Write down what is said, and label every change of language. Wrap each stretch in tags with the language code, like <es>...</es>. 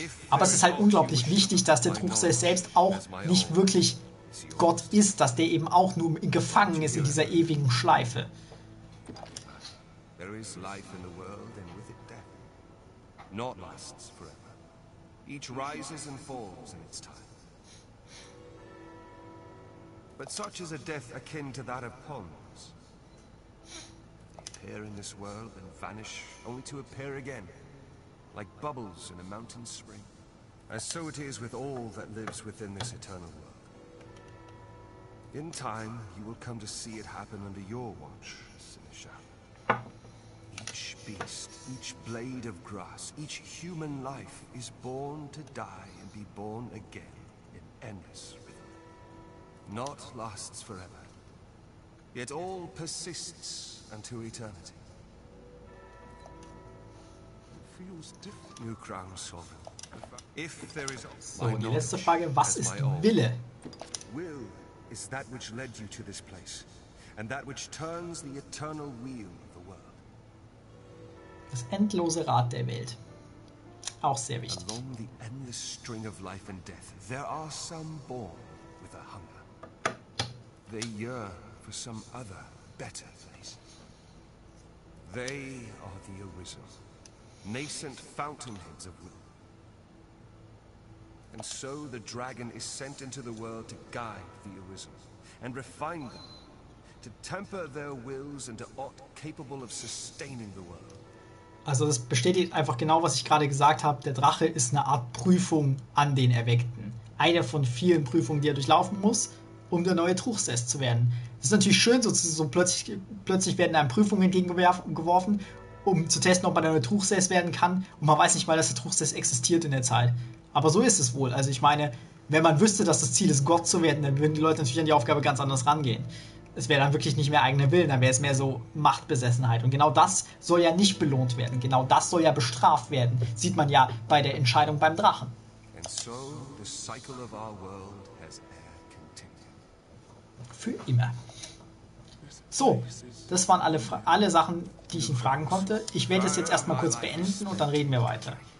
<de>Aber es ist halt unglaublich wichtig, dass der Truchsess selbst auch nicht wirklich Gott ist, dass der eben auch nur gefangen ist in dieser ewigen Schleife.</de> <en>There is life in the world, and with it death. Naught lasts forever. Each rises and falls in its time. But such is a death akin to that of Pons. appear in this world and vanish, only to appear again, like bubbles in a mountain spring. And so it is with all that lives within this eternal world. In time, you will come to see it happen under your watch, Sinisha. Each beast, each blade of grass, each human life is born to die and be born again in endless rhythm. Naught lasts forever, yet all persists unto eternity. It feels different. New crown sovereign. If there is</en> <de>so, die letzte Frage, was ist Wille?</de> <en>Will is that which led you to this place, and that which turns the eternal wheel of the world.</en> <de>Das endlose Rad der Welt. Auch sehr wichtig.</de> <en>Along the endless string of life and death, there are some born with a hunger. They yearn for some other, better place. They are the Arisen, nascent fountainheads of will. And so the dragon is sent into the world to guide the Arisen and refine them, to temper their wills into aught capable of sustaining the world.</en> <de>Also das bestätigt einfach genau, was ich gerade gesagt habe. Der Drache ist eine Art Prüfung an den Erweckten. Eine von vielen Prüfungen, die er durchlaufen muss, um der neue Truchsess zu werden. Das ist natürlich schön, so plötzlich werden einem Prüfungen entgegengeworfen, um zu testen, ob man der neue Truchsess werden kann. Und man weiß nicht mal, dass der Truchsess existiert in der Zeit. Aber so ist es wohl. Also ich meine, wenn man wüsste, dass das Ziel ist, Gott zu werden, dann würden die Leute natürlich an die Aufgabe ganz anders rangehen. Es wäre dann wirklich nicht mehr eigener Willen, dann wäre es mehr so Machtbesessenheit. Und genau das soll ja nicht belohnt werden. Genau das soll ja bestraft werden. Sieht man ja bei der Entscheidung beim Drachen.</de> <en>And so the cycle of our world has continued.</en> <de>Für immer. So, das waren alle Sachen, die ich ihn fragen konnte. Ich werde es jetzt erstmal kurz beenden und dann reden wir weiter.</de>